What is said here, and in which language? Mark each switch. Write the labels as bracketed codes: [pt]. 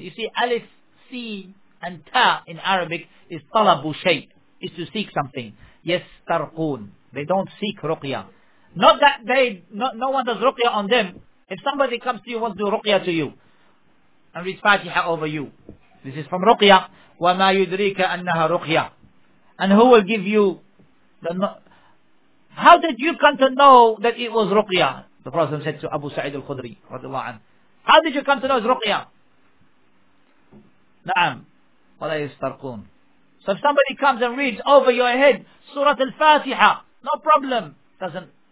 [en] You see, alif, si, and ta in Arabic is talabu shay. Is to seek something. [ar] يَسْتَرْقُونَ. [en] They don't seek ruqya. Not that they, no one does ruqya on them. If somebody comes to you and wants to do ruqya to you and reads Fatiha over you, this is from ruqya. [ar] وَمَا يُدْرِيكَ أَنَّهَا ruqya. [en] And who will give you the... How did you come to know that it was ruqya? The Prophet said to Abu Sa'id al-Khudri, radiallahu anhu. How did you come to know it's ruqya? [ar] نعم. وَلَا يَسْتَرْقُونَ. [en] So if somebody comes and reads over your head Surah al-Fatiha, no problem. Doesn't...